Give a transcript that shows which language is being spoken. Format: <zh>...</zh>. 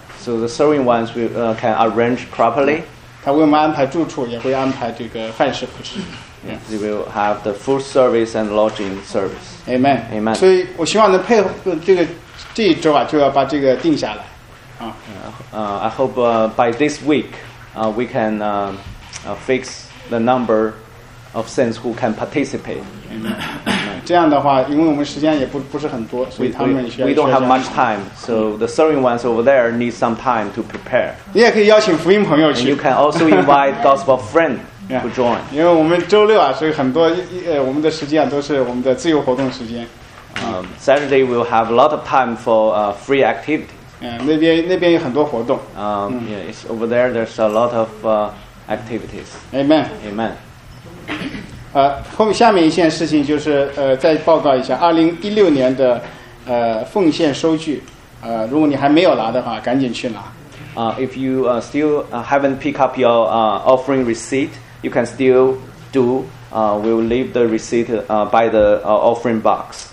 <en>So the serving ones will can arrange properly.</en> <zh>他为我们安排住处，也会安排这个饭食服侍。</zh> <en>Yes, they will have the food service and lodging service. Amen. Amen.</en> <zh>所以我希望能配合这一周啊，就要把这个定下来。</zh> <en>I hope by this week, we can fix the number of saints who can participate.</en> <zh>Amen. 这样的话，因为我们时间也不是很多，所以他们需要。</zh> <en>We don't have much time, so the serving ones over there need some time to prepare.</en> <zh>你也可以邀请福音朋友去。</zh> <en>And you can also invite gospel friend to join.</en> <zh>因为我们周六啊，所以很多我们的时间都是我们的自由活动时间。</zh> <en>Saturday we'll have a lot of time for free activity.</en> <zh>那边有很多活动。</zh> <en>Yeah, it's over there. There's a lot of activities. Amen. Amen.</en> <zh>下面一件事情就是再报告一下2016年的奉献收据，如果你还没有拿的话，赶紧去拿。</zh> <en>If you still haven't picked up your offering receipt, you can still do. We'll leave the receipt by the offering box.</en>